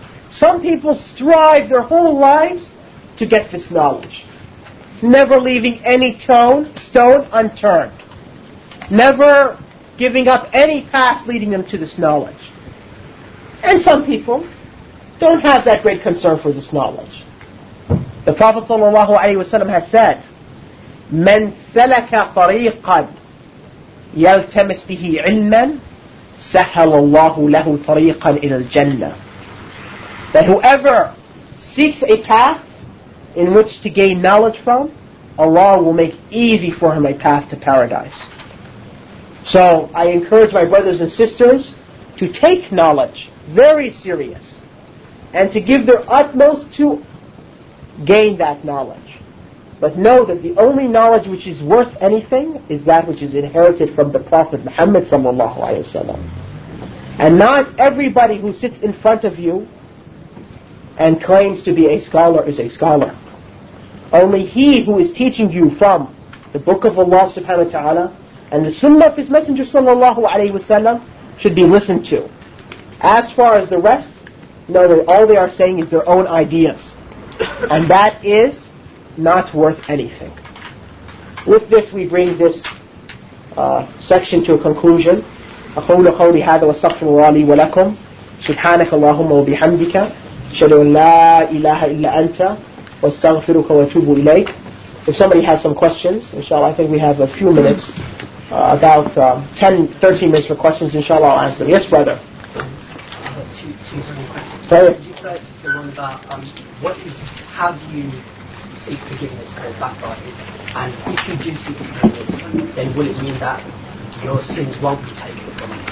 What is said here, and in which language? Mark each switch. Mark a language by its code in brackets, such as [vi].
[en] Some people strive their whole lives to get this knowledge. Never leaving any stone unturned. Never giving up any path leading them to this knowledge. And some people don't have that great concern for this knowledge. The Prophet sallallahu alaihi wasallam has said, [ar] مَنْ سَلَكَ طَرِيقًا يَلْتَمِسْ بِهِ عِلْمًا سَحَلَ اللَّهُ لَهُ طَرِيقًا إِلَى الْجَنَّةِ. [en] That whoever seeks a path in which to gain knowledge from, Allah will make easy for him a path to paradise. So I encourage my brothers and sisters to take knowledge very serious and to give their utmost to gain that knowledge. But know that the only knowledge which is worth anything is that which is inherited from the Prophet Muhammad sallallahu alaihi wasallam. And not everybody who sits in front of you and claims to be a scholar is a scholar. Only he who is teaching you from the Book of Allah subhanahu wa ta'ala and the Sunnah of his Messenger sallallahu alaihi wasallam should be listened to. As far as the rest, know that all they are saying is their own ideas. And that is not worth anything. With this, we bring this section to a conclusion. [ar] أقول قولي هذا واستغفر الله لي ولكم سبحانك اللهم وبحمدك أشهد أن لا إله إلا أنت واستغفرك وأتوب إليك. [en] If somebody has some questions, inshallah, I think we have a few minutes, about 10-13 minutes for questions, inshallah, I'll answer them. Yes, brother. I have two different questions. Sorry. Did you guys the one about, how do you seek forgiveness called backbiting, and if you do seek forgiveness, then will it mean that your sins won't be taken from you?